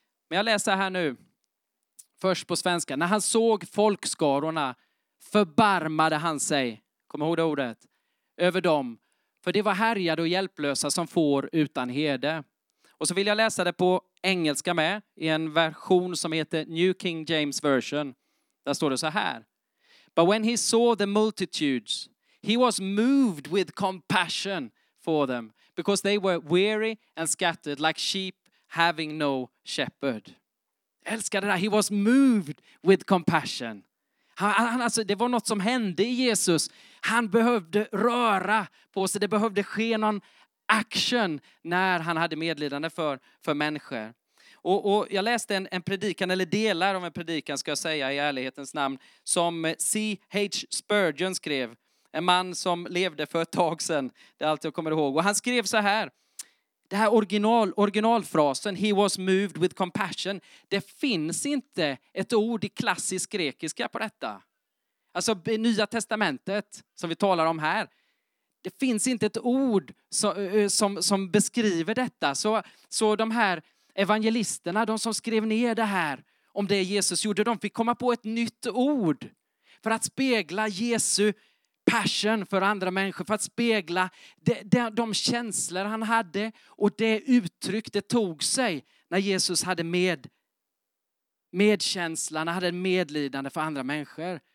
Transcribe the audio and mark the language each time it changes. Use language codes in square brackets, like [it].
[sv] Men jag läser här nu, först på svenska. När han såg folkskarorna förbarmade han sig, kom ihåg det ordet, över dem. För det var härjade och hjälplösa som får utan herde. Och så vill jag läsa det på engelska med i en version som heter New King James Version. Där står det så här. [en] But when he saw the multitudes, he was moved with compassion for them because they were weary and scattered like sheep having no shepherd. [sv] Jag älskar det där. [en] He was moved with compassion. [sv] Han, alltså, det var något som hände i Jesus. Han behövde röra på sig. Det behövde ske någon action när han hade medlidande för människor. Och jag läste en predikan, eller delar av en predikan ska jag säga i ärlighetens namn, som C.H. Spurgeon skrev. En man som levde för ett tag sedan. Det är allt jag kommer ihåg. Och han skrev så här. Det här originalfrasen, [en] he was moved with compassion. [sv] Det finns inte ett ord i klassisk grekiska på detta. Alltså i Nya Testamentet som vi talar om här. Det finns inte ett ord som beskriver detta. Så de här evangelisterna, de som skrev ner det här om det Jesus gjorde, de fick komma på ett nytt ord för att spegla Jesu passion för andra människor, för att spegla de känslor han hade och det uttryck det tog sig när Jesus hade medkänslan, hade medlidande för andra människor.